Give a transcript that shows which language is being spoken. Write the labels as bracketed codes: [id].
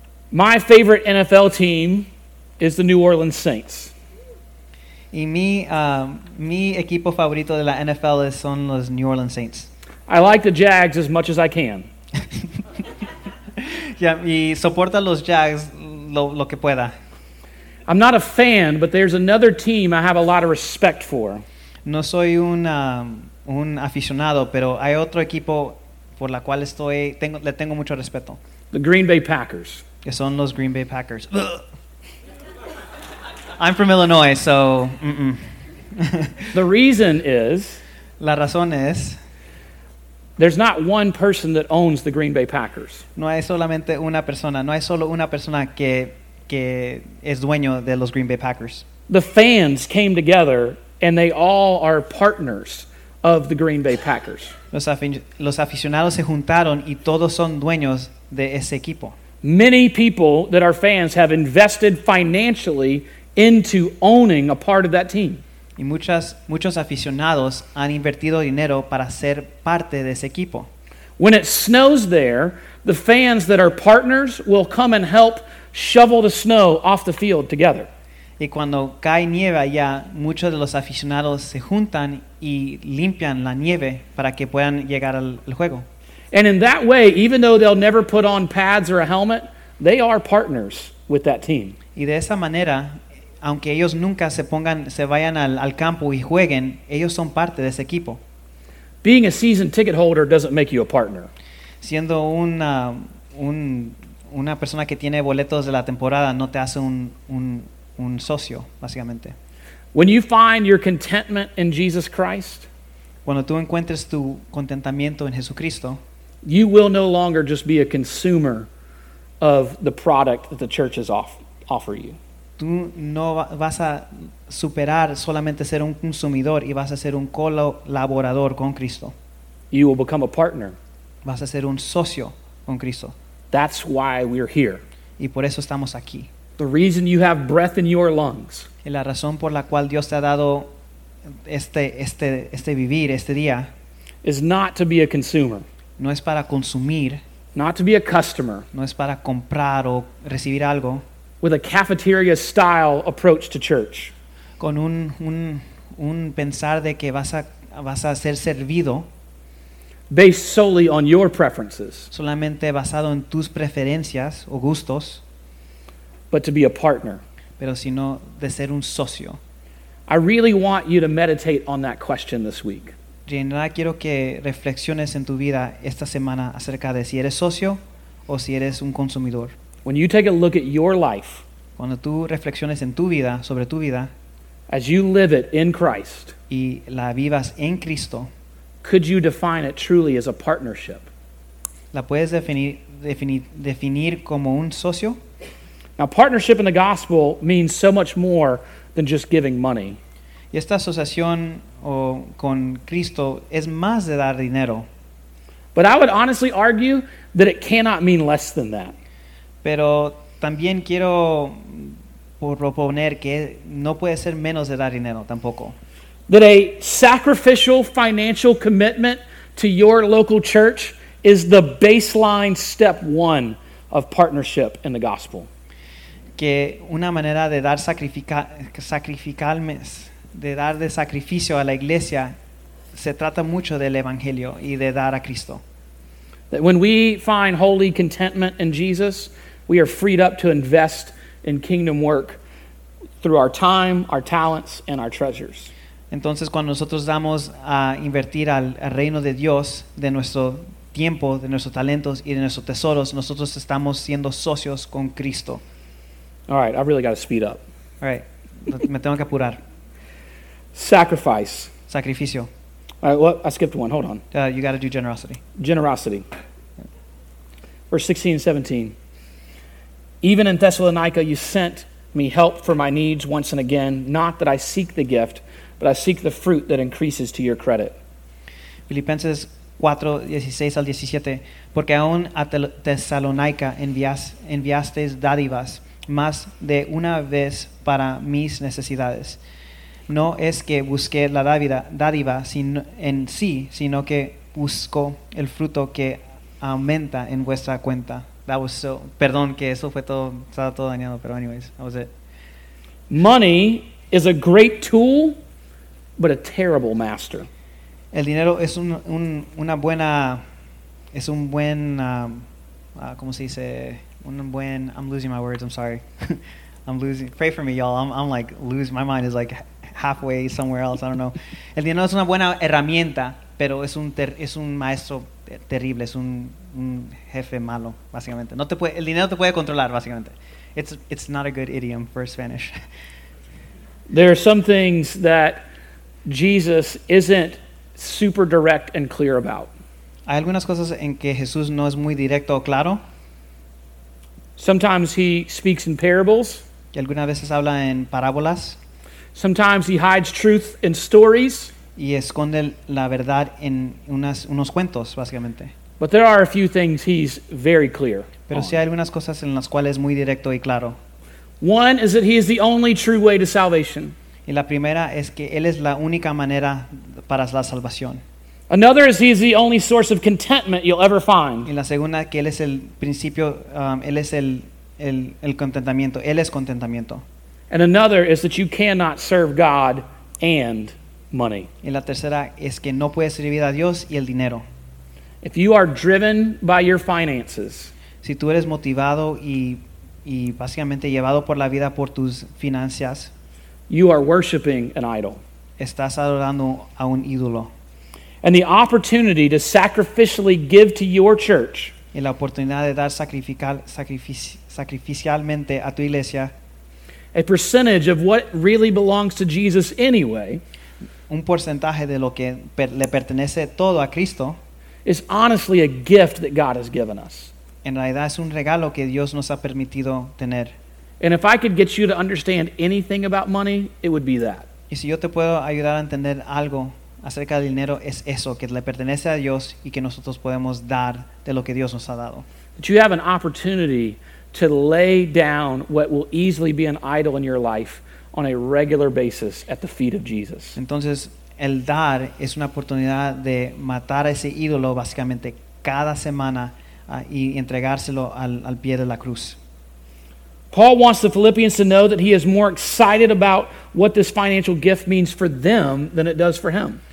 [en] My favorite NFL team is the New Orleans Saints. [es] Y mi equipo favorito de la NFL son los New Orleans Saints. [en] I like the Jags as much as I can. [es] Yeah, y soporta los Jags lo que pueda. [en] I'm not a fan, but there's another team I have a lot of respect for. [es] No soy un aficionado, pero hay otro equipo por la cual le tengo mucho respeto. [en] The Green Bay Packers. [es] Que son los Green Bay Packers. [en] I'm from Illinois, so... The reason is... [es] La razón es... [en] There's not one person that owns the Green Bay Packers. [es] No hay solamente una persona. No hay solo una persona que es dueño de los Green Bay Packers. [en] The fans came together and they all are partners of the Green Bay Packers. [es] Los aficionados se juntaron y todos son dueños de ese equipo. [en] Many people that are fans have invested financially into owning a part of that team. [es] Y muchos aficionados han invertido dinero para ser parte de ese equipo. [en] When it snows there, the fans that are partners will come and help shovel the snow off the field together. [es] Y cuando cae nieve allá, muchos de los aficionados se juntan y limpian la nieve para que puedan llegar al juego. [en] And in that way, even though they'll never put on pads or a helmet, they are partners with that team. [es] Y de esa manera, aunque ellos nunca se vayan al campo y jueguen, ellos son parte de ese equipo. [en] Being a season ticket holder doesn't make you a partner. [es] Siendo una persona que tiene boletos de la temporada no te hace un socio, básicamente. [en] When you find your contentment in Jesus Christ, [es] cuando tú encuentres tu contentamiento en Jesucristo, [en] you will no longer just be a consumer of the product that the church has offer you. [es] Tú no vas a superar solamente ser un consumidor y vas a ser un colaborador con Cristo. [en] You will become a partner. [es] Vas a ser un socio con Cristo. [en] That's why we're here. [es] Y por eso estamos aquí. [en] The reason you have breath in your lungs. [es] Y la razón por la cual Dios te ha dado este vivir, este día, [en] is not to be a consumer. [es] No es para consumir. [en] Not to be a customer. [es] No es para comprar o recibir algo. [en] With a cafeteria style approach to church. [es] Con un pensar de que vas a ser servido. [en] Based solely on your preferences. [es] Solamente basado en tus preferencias o gustos. [en] But to be a partner. [es] Pero sino de ser un socio. [en] I really want you to meditate on that question this week. [es] General, quiero que reflexiones en tu vida esta semana acerca de si eres socio o si eres un consumidor. [en] When you take a look at your life, [es] cuando tú reflexiones en tu vida, sobre tu vida, [en] as you live it in Christ, [es] y la vivas en Cristo, [en] could you define it truly as a partnership? [es] ¿La puedes definir como un socio? [en] Now, partnership in the gospel means so much more than just giving money. [es] Y esta asociación con Cristo es más de dar dinero. [en] But I would honestly argue that it cannot mean less than that. [es] Pero también quiero proponer que no puede ser menos de dar dinero tampoco. [en] That a sacrificial financial commitment to your local church is the baseline step one of partnership in the gospel. [es] Que una manera de dar sacrificio a la iglesia se trata mucho del evangelio y de dar a Cristo. [en] That when we find holy contentment in Jesus, we are freed up to invest in kingdom work through our time, our talents, and our treasures. [es] Entonces, cuando nosotros damos a invertir al reino de Dios, de nuestro tiempo, de nuestros talentos, y de nuestros tesoros, nosotros estamos siendo socios con Cristo. [en] All right, I really got to speed up. All right, [es] me tengo que apurar. [en] Sacrifice. [es] Sacrificio. [en] All right, well, I skipped one. Hold on. You got to do generosity. Generosity. Verse 16 and 17. Even in Thessalonica, you sent me help for my needs once and again, not that I seek the gift, but I seek the fruit that increases to your credit. [es] Filipenses 4, 16 al 17. Porque aún a Tesalónica enviaste dádivas más de una vez para mis necesidades. No es que busqué la dádiva en sí, sino que busco el fruto que aumenta en vuestra cuenta. [en] That was so, [es] perdón, que eso fue todo, estaba todo dañado, pero [en] anyways, that was it. Money is a great tool, but a terrible master. [es] El dinero es [en] pray for me, y'all, my mind is like halfway somewhere else, I don't know. [es] El dinero es una buena herramienta, pero es un maestro terrible, es un jefe malo, básicamente. No te puede, el dinero te puede controlar, básicamente. [en] It's not a good idiom for Spanish. There are some things that Jesus isn't super direct and clear about. [es] Hay algunas cosas en que Jesús no es muy directo o claro. [en] Sometimes he speaks in parables. [es] Y algunas veces habla en parábolas. [en] Sometimes he hides truth in stories. [es] Y esconde la verdad en unos cuentos, básicamente. [en] But there are a few things he's very clear. [es] Pero sí hay algunas cosas en las cuales es muy directo y claro. [en] One is that he is the only true way to salvation. [es] Y la primera es que él es la única manera para la salvación. [en] Another is he is the only source of contentment you'll ever find. [es] Y la segunda que él es el principio, él es el contentamiento, él es contentamiento. [en] And another is that you cannot serve God and money. [es] Y la tercera es que no puedes servir a Dios y el dinero. [en] If you are driven by your finances, [es] si tú eres motivado y básicamente llevado por la vida por tus finanzas, [en] you are worshiping an idol. [es] Estás adorando a un ídolo. [en] And the opportunity to sacrificially give to your church, [es] y la oportunidad de dar sacrificialmente a tu iglesia, [en] a percentage of what really belongs to Jesus anyway, [es] un porcentaje de lo que le pertenece todo a Cristo, [en] is honestly a gift that God has given us. [es] En realidad es un regalo que Dios nos ha permitido tener. [en] And if I could get you to understand anything about money, it would be that. [es] Y si yo te puedo ayudar a entender algo acerca del dinero, es eso, que le pertenece a Dios y que nosotros podemos dar de lo que Dios nos ha dado. [en] That you have an opportunity to lay down what will easily be an idol in your life on a regular basis at the feet of Jesus. [es] Entonces, el dar es una oportunidad de matar a ese ídolo básicamente cada semana y entregárselo al pie de la cruz. [en] Paul wants the Philippians to know that he is more excited about what this financial gift means for them than it does for him.